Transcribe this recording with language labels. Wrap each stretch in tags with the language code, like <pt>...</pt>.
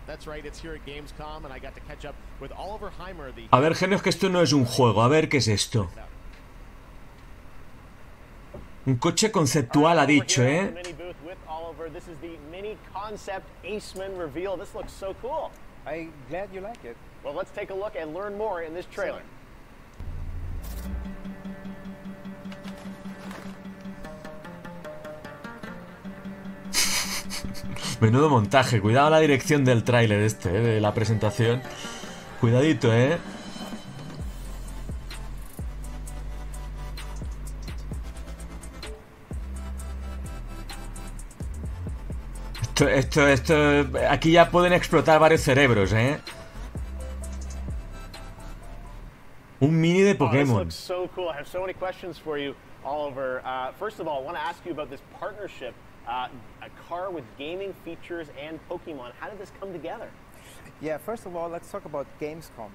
<en>That's right, it's here at Gamescom, and I got to catch up with Oliver Heimer.</en> <es>A ver, genios, que esto no es un juego. A ver, ¿qué es esto? Un coche conceptual, ha dicho, ¿eh?</es> <en>This is the mini concept Aceman reveal. This looks so cool. I'm glad you like it. Well, let's take a look and learn more in this trailer.</en> <es>Menudo montaje, cuidado la dirección del tráiler este, de la presentación. Cuidadito, Esto, aquí ya pueden explotar varios cerebros, Un mini de Pokémon.</es> <en>Oh, this looks so cool. I have so many questions for you, Oliver. First of all, I want to ask you about this partnership. A car with gaming features and Pokemon. How did this come together? Yeah, first of all, let's talk about Gamescom.</en>